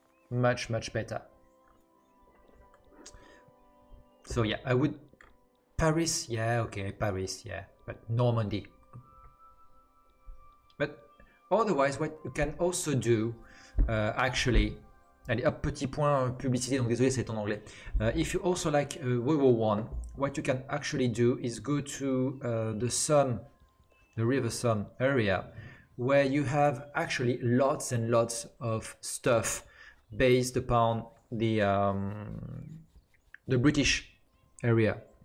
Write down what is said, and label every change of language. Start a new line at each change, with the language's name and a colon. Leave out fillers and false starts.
English: Much, much better. So yeah, I would... Paris, yeah, okay, Paris, yeah. But Normandy. But otherwise, what you can also do, actually...
French: Allez, hop, petit point publicité, donc désolé, c'est en anglais.
English: If you also like World War One, what you can actually do is go to the Somme, the River Somme area, where you have actually lots and lots of stuff based upon the British area.